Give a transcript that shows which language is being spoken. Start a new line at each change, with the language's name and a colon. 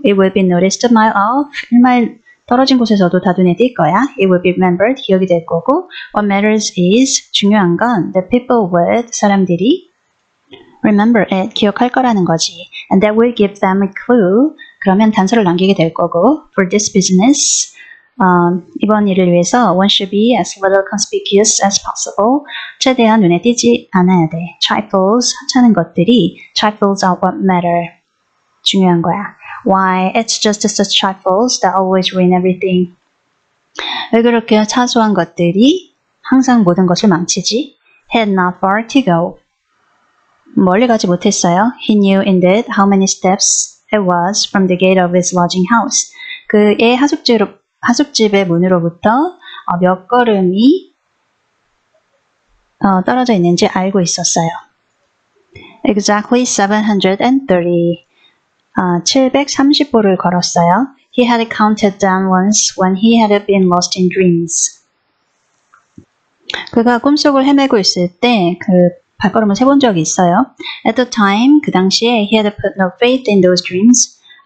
English: It will be noticed a mile off.
Korean: 1마일 떨어진 곳에서도 다 눈에 띌 거야.
English: It will be remembered.
Korean: 기억이 될 거고.
English: What matters is,
Korean: 중요한 건,
English: the people with,
Korean: 사람들이
English: remember it,
Korean: 기억할 거라는 거지.
English: And that will give them a clue.
Korean: 그러면 단서를 남기게 될 거고.
English: For this business,
Korean: 이번 일을 위해서
English: one should be as little conspicuous as possible.
Korean: 최대한 눈에 띄지 않아야 돼.
English: Trifles,
Korean: 하찮은 것들이,
English: trifles are what matter.
Korean: 중요한 거야.
English: Why? It's just such trifles that always ruin everything.
Korean: 왜 그렇게 사소한 것들이 항상 모든 것을 망치지?
English: Had not far to go.
Korean: 멀리 가지 못했어요.
English: He knew indeed how many steps it was from the gate of his lodging house.
Korean: 그의 하숙집의 문으로부터 몇 걸음이 떨어져 있는지 알고 있었어요.
English: Exactly 730.
Korean: 730보를 걸었어요.
English: He had counted down once when he had been lost in dreams.
Korean: 그가 꿈속을 헤매고 있을 때 그 발걸음을 세본 적이 있어요.
English: At the time,
Korean: 그 당시에
English: he had put no faith in those dreams.